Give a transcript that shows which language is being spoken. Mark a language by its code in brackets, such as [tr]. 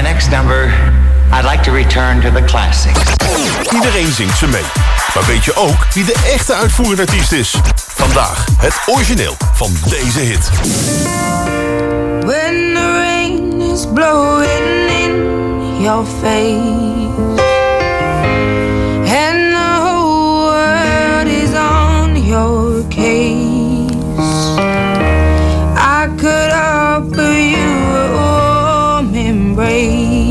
[en] Number, I'd like to return to the classics. [nl] Iedereen zingt ze mee. Maar weet je ook wie de echte uitvoerende artiest is? Vandaag het origineel van deze hit. [en] When the rain is blowing in your face and the whole world is on your case, I could offer you a warm embrace